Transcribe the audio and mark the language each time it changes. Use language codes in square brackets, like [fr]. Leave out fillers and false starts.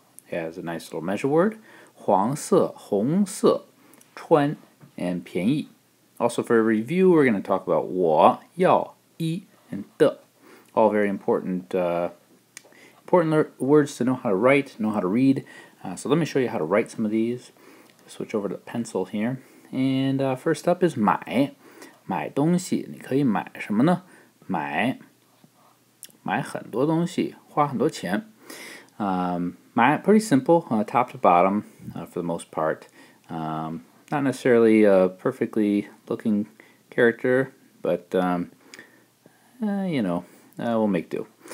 [en] It has a nice little measure word. 黄色, 红色, 穿, and 便宜. Also for a review, we're going to talk about 我, 要, 一, and 的. All very important words to know how to write, know how to read. So let me show you how to write some of these. Switch over to the pencil here. And first up is 买. [zh] 买东西, 你可以买什么呢?买, 买很多东西, 花很多钱. [en] My, pretty simple, top to bottom, for the most part. Not necessarily a perfectly looking character, but, we'll make do.